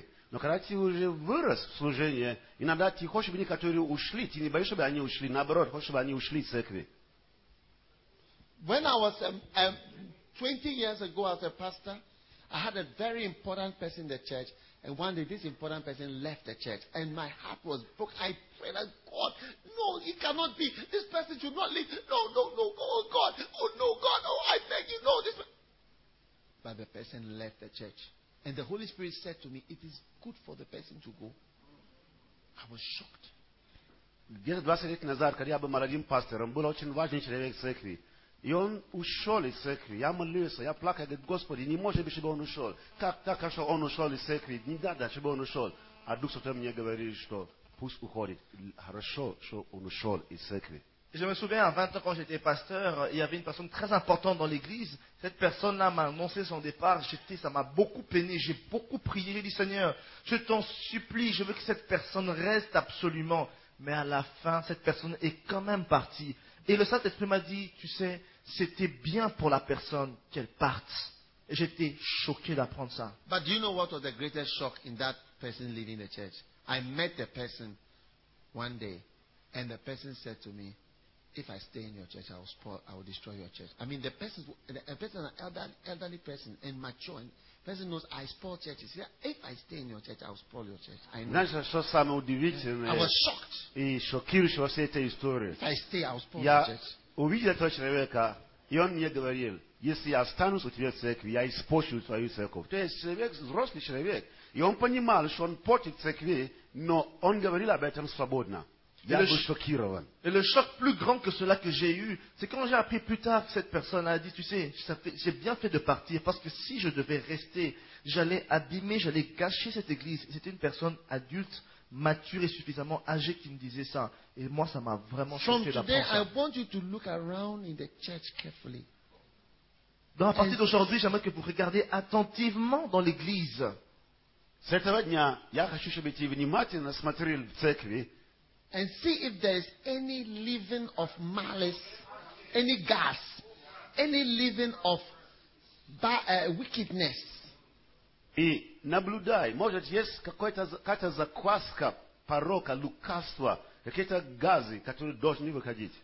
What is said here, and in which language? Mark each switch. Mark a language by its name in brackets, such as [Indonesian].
[Russian] Но когда ты уже вырос в служении, иногда ты хочешь, чтобы они, которые ушли, ты не боишься, чтобы они ушли, наоборот, хочешь, чтобы они ушли из церкви. [English] When I was 20 years ago as a pastor, I had a very important person in the church, and one day this important person left the church, and my heart was broken. I prayed, like, God, no, it cannot be. This person should not leave. No, no, no, oh God, oh no, God, oh I beg you, no, this. But the person left the church. And the Holy Spirit said to me, it is good for the person to go. I was shocked. [Russian] Где-то 20 лет назад, когда я был молодым пастором, был очень важный человек в церкви. И он ушел из церкви. Я молился, я плакал, говорю, Господи, не может быть, чтобы он ушел. Как так, что он ушел из церкви? Не надо, чтобы он ушел. А Дух Святой мне говорит, что пусть уходит. Хорошо, что он ушел из церкви. [French] Je me souviens, à 20 ans, quand j'étais pasteur, il y avait une personne très importante dans l'église. Cette personne-là m'a annoncé son départ. Ça m'a beaucoup peiné. J'ai beaucoup prié. J'ai dit, Seigneur, je t'en supplie. Je veux que cette personne reste absolument. Mais à la fin, cette personne est quand même partie. Et le Saint-Esprit m'a dit, tu sais, c'était bien pour la personne qu'elle parte. Et j'étais choqué d'apprendre ça. [English] But do you know what was the greatest shock in that person leaving the church? I met the person one day, and the person said to me, if I stay in your church, I will spoil, I will destroy your church. I mean, the person, an elderly person and mature, and person knows I spoil churches. Yeah, if I stay in your church, I will spoil your church. I know. [Russian] Знаешь, что самое удивительное? [English] I was shocked. [Russian] И шокирующего всей этой истории. [English] If I stay, I will spoil your church. [Russian] Я увидел этого человека, и он мне говорил, если я останусь у тебя в церкви, я испорчу твою церковь. То есть человек, взрослый человек, и он понимал, что он портит церкви, но он говорил об этом свободно. [French] Et le choc plus grand que cela que j'ai eu, c'est quand j'ai appris plus tard que cette personne a dit, tu sais, j'ai bien fait de partir parce que si je devais rester, j'allais abîmer, j'allais gâcher cette église. C'était une personne adulte, mature et suffisamment âgée qui me disait ça. Et moi, ça m'a vraiment choqué d'apprendre ça. [English] I want you to look around in the church carefully. [French] Donc à partir d'aujourd'hui, j'aimerais que vous regardiez attentivement dans l'église. Cette année, [Russian] я хочу, чтобы ты внимательно смотрел в церкви. [English] And see if there is any living of malice, any gas, any living of wickedness. [Russian] И наблюдай, может есть какая-то закваска, порока, лукавства, какие-то газы, которые должны выходить.